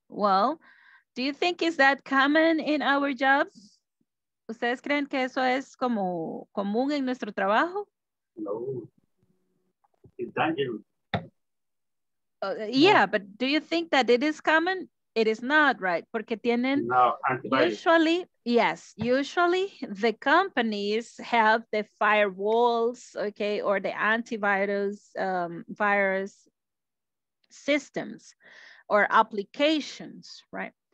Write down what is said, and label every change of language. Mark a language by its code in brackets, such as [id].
[en] Well, do you think is that common in our jobs? [es] ¿Ustedes creen que eso es como común en nuestro trabajo? [en] No. It's dangerous. Yeah, but do you think that it is common? It is not, right? [es] Porque tienen... [en] No, antivirus. Usually, yes. Usually, the companies have the firewalls, okay, or the antivirus virus systems or applications, right?